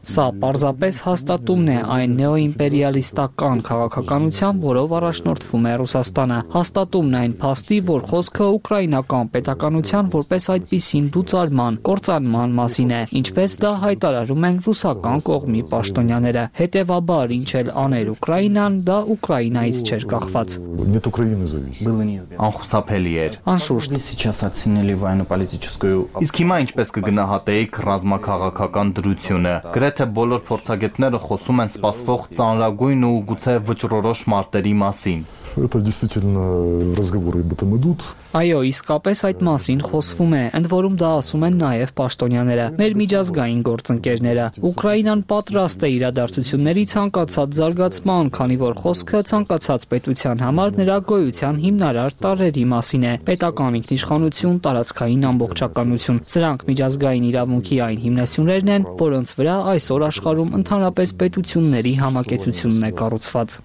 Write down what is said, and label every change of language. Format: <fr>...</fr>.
<hy>Սա պարզապես հաստատումն է այն նեոիմպերիալիստական քաղաքականության, որով առաջնորդվում է Ռուսաստանը, հաստատումն այն փաստի, որ խոսքը ուկրաինական պետականության որպես այդպիսին դուծարման, կործանման մասին է, ինչպես դա հայտարարում են ռուսական կողմի պաշտոնյաները, հետևաբար ինչ էլ աներ Ուկրաինան, դա Ուկրաինայից չէր կախված։ Անխուսափելի էր։ Անշուշտ։ Իսկ հիմա ինչպես կգնահատեիք ռազմաքաղաքական դրությունը։ Գրեթե բոլոր փորձագետները խոսում են սպասվող ծանրագույն ու գուցե վճռորոշ մարտերի մասին։</hy> <ru>Это действительно разговоры об этом идут.</ru> <hy>Այո, իսկապես այդ մասին խոսվում է, ընդ որում դա ասում են նաև պաշտոնյաները, մեր միջազգային գործընկերները։ Ուկրաինան պատրաստ է իրադարձությունների ցանկացած զարգացման, քանի որ խոսքը ցանկացած պետության համար նրա գոյության հիմնարար տարրերի մասին է՝ պետական ինքնիշխանություն, տարածքային ամբողջականություն։ Սրանք միջազգային իրավունքի այն հիմնասյուներն են, որոնց վրա այսօր աշխարհում ընդհանրապես պետությունների համակեցությունն է կառուցված։</hy>